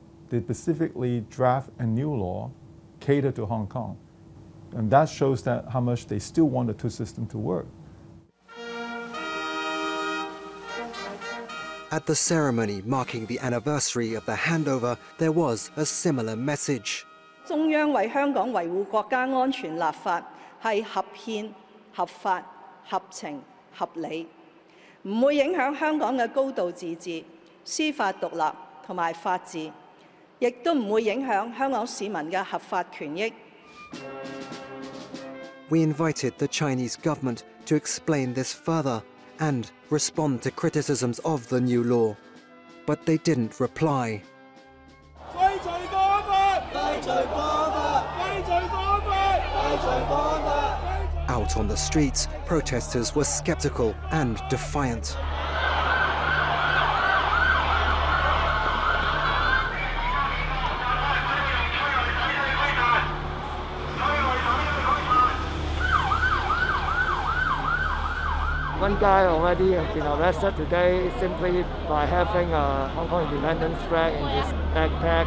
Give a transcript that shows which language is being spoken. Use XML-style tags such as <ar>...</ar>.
<en>They specifically draft a new law catered to Hong Kong. And that shows that how much they still want the two systems to work. At the ceremony marking the anniversary of the handover, there was a similar message.</en> <zh>中央為香港維護國家安全立法是合憲、合法、合情、合理。不會影響香港的高度自治、司法獨立和法治， 亦都不會影響香港市民的合法權益。</zh> <en>We invited the Chinese government to explain this further and respond to criticisms of the new law, but they didn't reply.</en> <zh>廢除國法！廢除國法！廢除國法！廢除國法！廢除國法！</zh> <en>Out on the streets, protesters were skeptical and defiant. One guy already has been arrested today simply by having a Hong Kong independence flag in his backpack.</en>